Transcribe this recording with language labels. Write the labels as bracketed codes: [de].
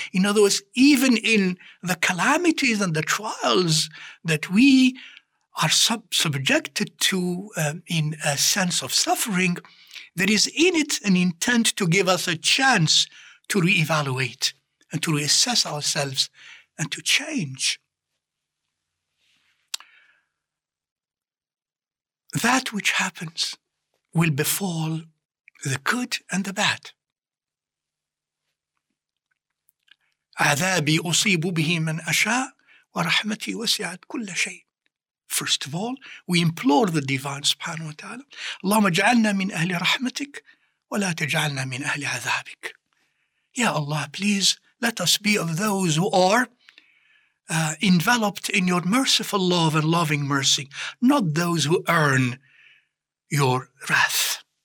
[en] In other words, even in the calamities and the trials that we are subjected to in a sense of suffering, there is in it an intent to give us a chance to reevaluate and to reassess ourselves and to change. That which happens will befall the good and the bad. [ar] عَذَابِي أُصِيبُ بِهِ مَنْ أَشَاءُ وَرَحْمَتِي وَسِعَتْ كُلَّ شَيْءٍ. [en] First of all, we implore the Divine subhanahu wa ta'ala, [ar] اللَّهُمَ اجْعَلْنَا مِنْ أَهْلِ رَحْمَتِكْ وَلَا تَجْعَلْنَا مِنْ أَهْلِ عَذَابِكْ. [en] Ya Allah, please let us be of those who are enveloped in your merciful love and loving mercy, not those who earn your wrath.